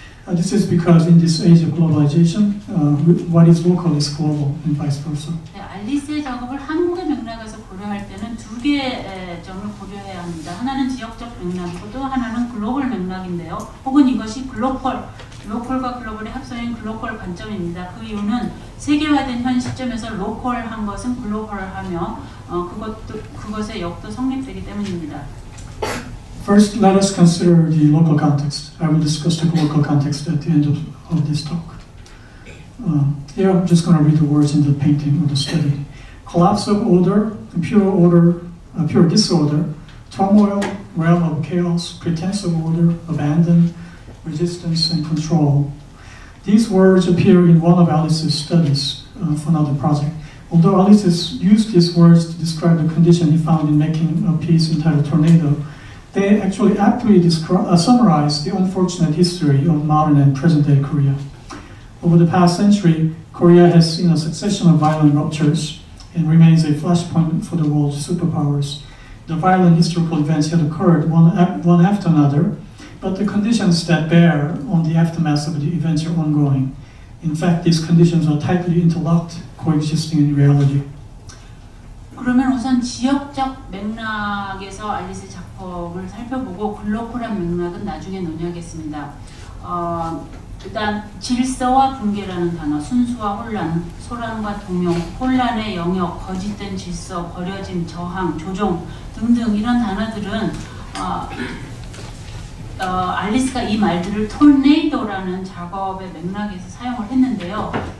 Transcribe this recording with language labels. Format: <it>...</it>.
<en>This is because in this age of globalization, what is local is global and vice versa.</en> <ko>네, 앨리스의 작업을 한국의 맥락에서 고려할 때는 두 개의 점을 고려해야 합니다. 하나는 지역적 맥락이고 또 하나는 글로벌 맥락인데요. 혹은 이것이 글로컬, 로컬과 글로벌의 합성인 글로컬 관점입니다. 그 이유는 세계화된 현 시점에서 로컬한 것은 글로벌하며 그것의 역도 성립되기 때문입니다.</ko> <en>First, let us consider the local context. I will discuss the local context at the end of this talk. Here, I'm just going to read the words in the painting of the study. Collapse of order, pure order, pure disorder, turmoil, realm of chaos, pretense of order, abandon, resistance, and control. These words appear in one of Alice's studies for another project. Although Alice has used these words to describe the condition he found in making a piece entitled Tornado, they actually aptly summarize the unfortunate history of modern and present-day Korea. Over the past century, Korea has seen a succession of violent ruptures and remains a flashpoint for the world's superpowers. The violent historical events had occurred one after another, but the conditions that bear on the aftermath of the events are ongoing. In fact, these conditions are tightly interlocked, coexisting in reality.</en> <ko>그러면 우선 지역적 맥락에서 알리스의 작품을 살펴보고 글로컬한 맥락은 나중에 논의하겠습니다. 일단 질서와 붕괴라는 단어, 순수와 혼란, 소란과 동요, 혼란의 영역, 거짓된 질서, 버려진 저항, 조종 등등 이런 단어들은 알리스가 이 말들을 토네이도라는 작업의 맥락에서 사용을 했는데요.</ko>